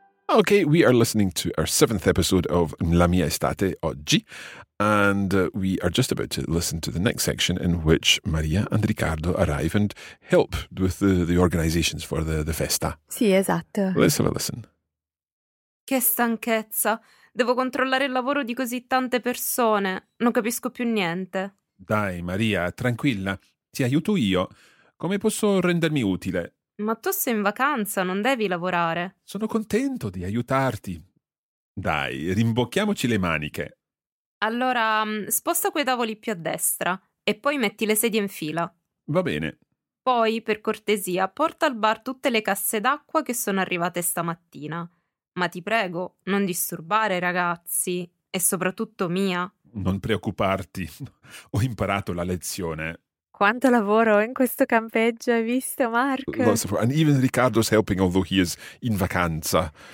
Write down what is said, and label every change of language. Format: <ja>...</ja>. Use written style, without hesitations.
<en>Okay, we are listening to our seventh episode of La Mia Estate Oggi, and we are just about to listen to the next section in which Maria and Riccardo arrive and help with the organizations for the festa.</en> <it>Sì, esatto.</it> <en>Let's have a listen.</en> <it>Che stanchezza! Devo controllare il lavoro di così tante persone. Non capisco più niente. Dai, Maria, tranquilla. Ti aiuto io. Come posso rendermi utile? Ma tu sei in vacanza, non devi lavorare. Sono contento di aiutarti. Dai, rimbocchiamoci le maniche. Allora, sposta quei tavoli più a destra e poi metti le sedie in fila. Va bene. Poi, per cortesia, porta al bar tutte le casse d'acqua che sono arrivate stamattina. Ma ti prego, non disturbare i ragazzi e soprattutto Mia. Non preoccuparti, ho imparato la lezione. Quanto lavoro in questo campeggio, hai visto, Mark?</it> <en>Lots of work. And even Ricardo's helping, although he is</en> <it>in vacanza.</it>